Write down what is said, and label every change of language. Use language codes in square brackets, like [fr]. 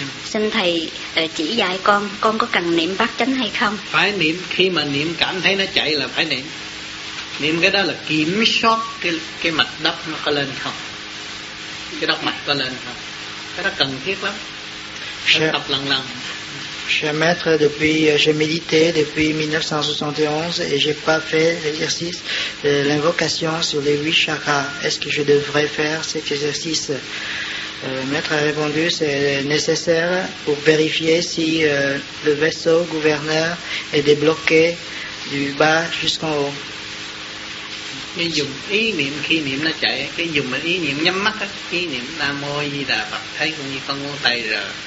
[vi] Xin Thầy chỉ dạy con có cần niệm bát chánh hay không? Phải niệm, khi mà niệm cảm thấy nó chạy là phải niệm. Niệm cái đó là kiểm soát cái mạch đốc nó có lên không. Cái đốc mạch có lên không. Cái đó cần thiết lắm. Phải tập lần lần. [fr] Cher maître, depuis, j'ai médité depuis 1971 et j'ai pas fait l'exercice de l'invocation sur les 8 chakras. Est-ce que je devrais faire cet exercice? Maître a répondu, c'est nécessaire pour vérifier si le vaisseau gouverneur est débloqué du bas jusqu'en haut. [vi] Cái dùng ý niệm, khi niệm nó chạy, cái dùng ý niệm nhắm mắt á, ý niệm Nam Mô Di Đà Phật, thấy cũng như con ngón tay rồi.